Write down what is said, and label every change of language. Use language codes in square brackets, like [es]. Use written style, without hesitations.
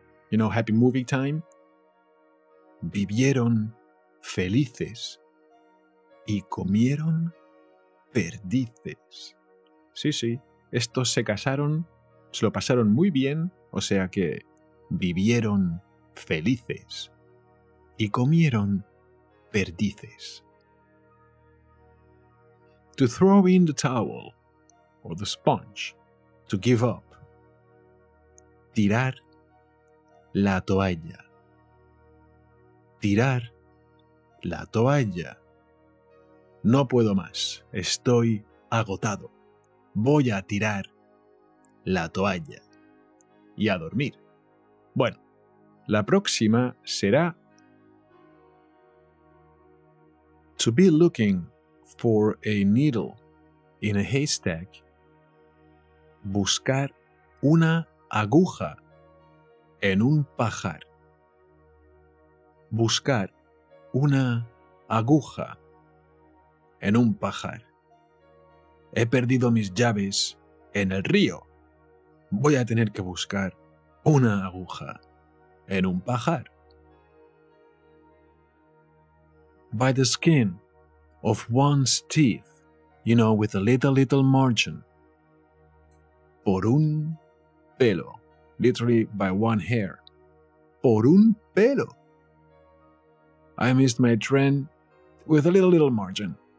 [en] You know, happy movie time? [es] Vivieron felices y comieron perdices. Sí, sí, estos se casaron, se lo pasaron muy bien, o sea que vivieron felices y comieron perdices. [en] To throw in the towel or the sponge, to give up. [es] Tirar la toalla. Tirar la toalla. No puedo más, estoy agotado. Voy a tirar la toalla y a dormir. Bueno, la próxima será [en] to be looking for a needle in a haystack. [es] Buscar una aguja en un pajar. Buscar una aguja en un pajar. He perdido mis llaves en el río. Voy a tener que buscar una aguja en un pajar. [en] By the skin of one's teeth, you know, with a little margin. [es] Por un pelo, [en] literally by one hair. [es] Por un pelo. [en] I missed my train with a little margin.